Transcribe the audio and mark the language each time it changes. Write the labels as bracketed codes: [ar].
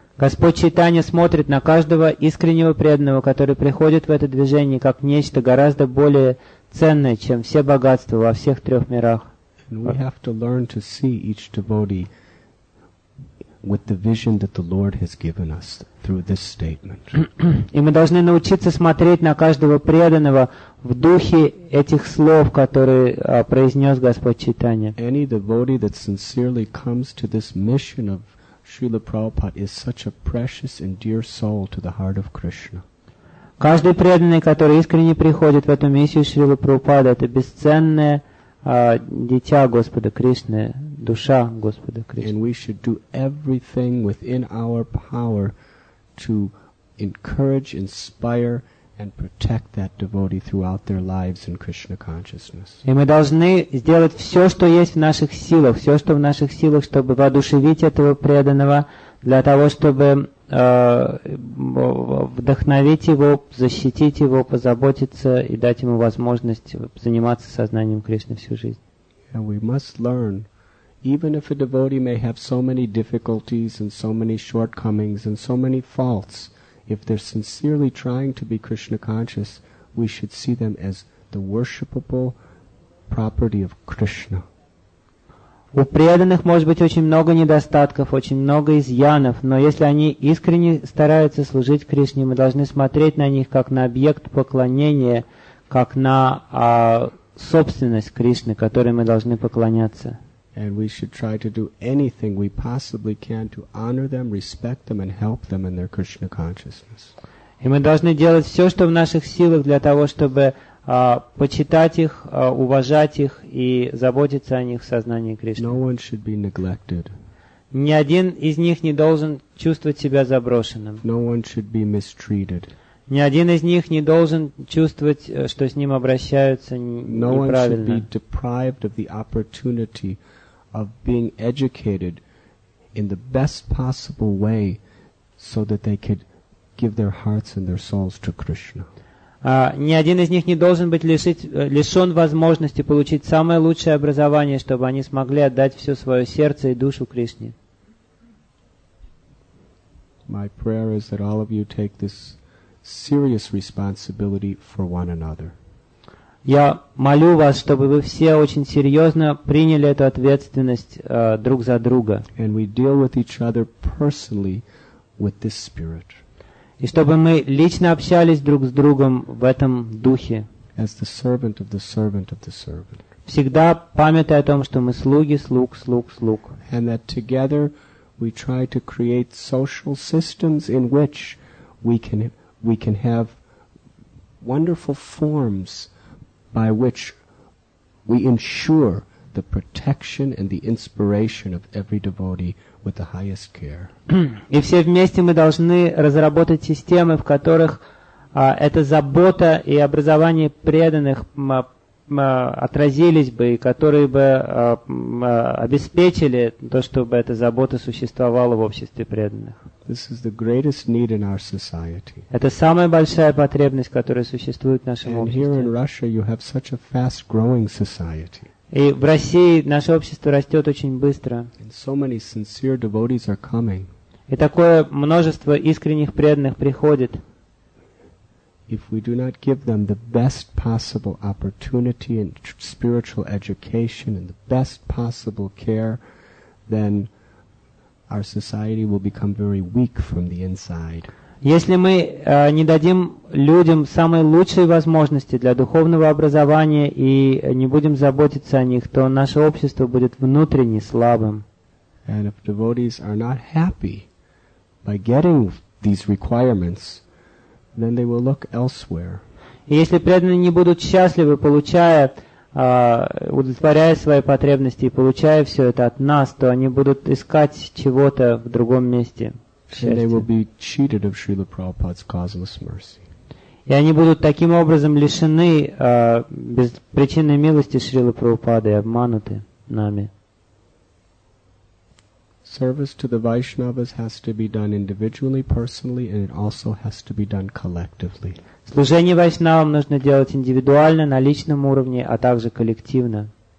[ru] Господь Чайтанья смотрит на каждого искреннего преданного, который приходит в это движение, как нечто гораздо более ценное, чем все богатства во всех 3 мирах. [en] And we have to learn to see each devotee with the vision that the Lord has given us through this statement. [ru] И мы должны научиться смотреть на каждого преданного в духе этих слов, которые произнес Господь Чайтанья. [en] Any devotee that sincerely comes to this mission of Srila Prabhupada is such a precious and dear soul to the heart of Krishna. [ru] Каждый преданный, который искренне приходит в эту миссию Шрилы Прабхупады, это бесценное дитя Господа Кришны, душа Господа Кришны. [en] And we should do everything within our power to encourage, inspire, and protect that devotee throughout their lives in Krishna consciousness. [ru] И мы должны сделать все, что есть в наших силах, все, что в наших силах, чтобы воодушевить этого преданного, для того, чтобы вдохновить его, защитить его, позаботиться и дать ему возможность заниматься сознанием Кришны всю жизнь. [en] And we must learn, even if a devotee may have so many difficulties and so many shortcomings and so many faults, if they're sincerely trying to be Krishna conscious, we should see them as the worshipable property of Krishna. [ru] У преданных может быть очень много недостатков, очень много изъянов, но если они искренне стараются служить Кришне, мы должны смотреть на них как на объект поклонения, как на собственность Кришны, которой мы должны поклоняться. [en] And we should try to do anything we possibly can to honor them, respect them, and help them in their Krishna consciousness. [ru] И мы должны делать все, что в наших силах для того, чтобы почитать их, уважать их и заботиться о них в сознании Кришны. [en] No one should be neglected. [ru] Ни один из них не должен чувствовать себя заброшенным. [en] No one should be mistreated. [ru] Ни один из них не должен чувствовать, что с ним обращаются неправильно. [en] No one should be deprived of the opportunity of being educated in the best possible way so that they could give their hearts and their souls to Krishna. [ru] Ни один из них не должен быть лишен возможности получить самое лучшее образование, чтобы они смогли отдать все свое сердце и душу Кришне. [en] My prayer is that all of you take this serious responsibility for one another. [ru] Я молю вас, чтобы вы все очень серьезно приняли эту ответственность друг за друга. [en] And we deal with each other personally with this spirit. [ru] И чтобы мы лично общались друг с другом в этом духе. [en] As the servant of the servant of the servant. [ru] Всегда памятая о том, что мы слуги, слуг, слуг, слуг. [en] And that together we try to create social systems in which we can have wonderful forms by which we ensure the protection and the inspiration of every devotee with the highest care. [ru] И все вместе мы должны разработать системы, в которых эта забота и образование преданных отразились бы, и которые бы обеспечили то, чтобы эта забота существовала в обществе преданных. [en] This is the greatest need in our society. [ru] Это самая большая потребность, которая существует в нашем обществе. [en] And here in Russia you have such a fast-growing society. [ru] И в России наше общество растет очень быстро. [en] And so many sincere devotees are coming. [ru] И такое множество искренних преданных приходит. [en] If we do not give them the best possible opportunity and spiritual education and the best possible care, then our society will become very weak from the inside. [ru] Если мы не дадим людям самые лучшие возможности для духовного образования и не будем заботиться о них, то наше общество будет внутренне слабым. [en] And if devotees are not happy by getting these requirements, then they will look elsewhere. [ru] Если преданные не будут счастливы, получая удовлетворяя свои потребности и получая все это от нас, то они будут искать чего-то в другом месте. [en] And they will be cheated of Srila Prabhupada's causeless mercy. [ru] И они будут таким образом лишены без причины милости Шрилы Прабхупады и обмануты нами. [en] Service to the Vaishnavas has to be done individually, personally, and it also has to be done collectively. [ru] Служение Вайшнавам нужно делать индивидуально, на личном уровне, а также коллективно.